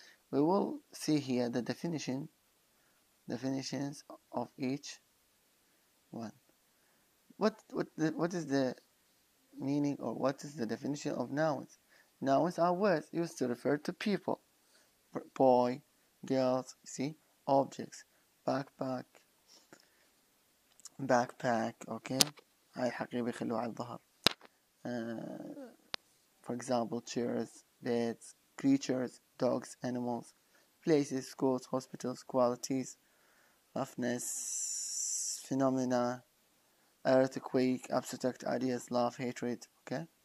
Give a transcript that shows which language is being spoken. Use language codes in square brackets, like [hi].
[en] We will see here the definitions of each one. What is the meaning, or what is the definition of nouns? Nouns are words used to refer to people, boy, girls, see, objects, backpack, [ar] باك باك، اوكي، هاي حقيبي يخلوها على الظهر. [en] For example, chairs, beds, creatures, dogs, animals, places, schools, hospitals, qualities, roughness, phenomena, earthquake, abstract ideas, love, hatred, okay?